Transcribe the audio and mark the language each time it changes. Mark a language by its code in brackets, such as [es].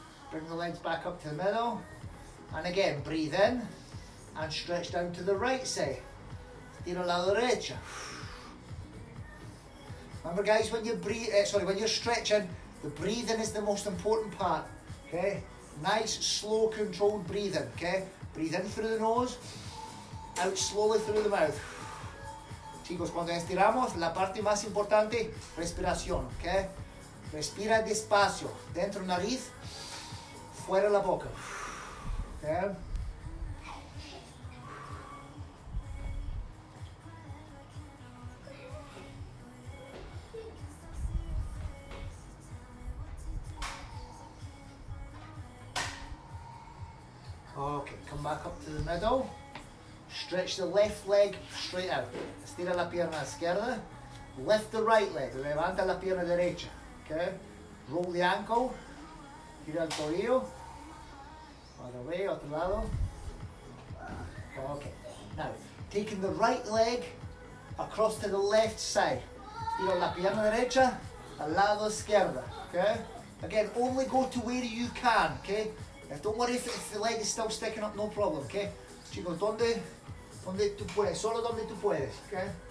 [en] Bring the legs back up to the middle. And again, breathe in and stretch down to the right side. [es] Tira la derecha. [en] Remember guys, when you're stretching, the breathing is the most important part, okay? Nice, slow, controlled breathing, okay? Breathe in through the nose, out slowly through the mouth. [es] Chicos, cuando estiramos, la parte más importante, respiración, okay? Respira despacio, dentro nariz, fuera la boca. Okay? [en] Okay, come back up to the middle. Stretch the left leg straight out. [es] Estira la pierna izquierda. [en] Lift the right leg. [es] Levanta la pierna derecha. Okay. [en] Roll the ankle. [es] Gira el tobillo. Otra vez, otro lado. Okay. [en] Now, taking the right leg across to the left side. [es] Gira la pierna derecha. Al lado izquierdo. Okay. [en] Again, only go to where you can. Okay. Don't worry if the leg is still sticking up, no problem, okay? [es] Chicos, donde tú puedes, solo donde tú puedes, okay?